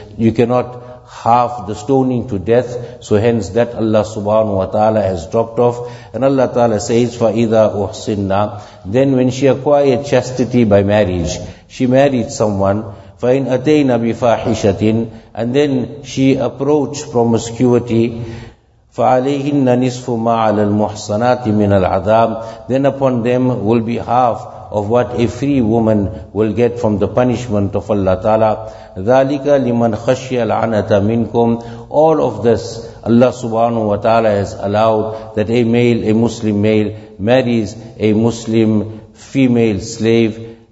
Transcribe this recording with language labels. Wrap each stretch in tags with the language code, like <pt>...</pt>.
<en>You cannot half the stoning to death. So hence that Allah subhanahu wa ta'ala has dropped off. And Allah ta'ala says,</en> <ar>فَإِذَا أُحْصِنَّ.</ar> <en>Then when she acquired chastity by marriage, she married someone,</en> <ar>فَإِنْ أَتَيْنَ بِفَاحِشَةٍ.</ar> <en>And then she approached promiscuity,</en> <ar>فَعَلَيْهِنَّ نِصْفُ مَا عَلَى الْمُحْصَنَاتِ مِنَ الْعَذَابِ.</ar> <en>Then upon them will be half of what a free woman will get from the punishment of Allah Ta'ala.</en> <ar>ذَلِكَ لِمَنْ خَشِيَ الْعَنَةَ مِنْكُمْ.</ar> <en>All of this Allah subhanahu wa ta'ala has allowed, that a male, a Muslim male, marries a Muslim female slave.</en>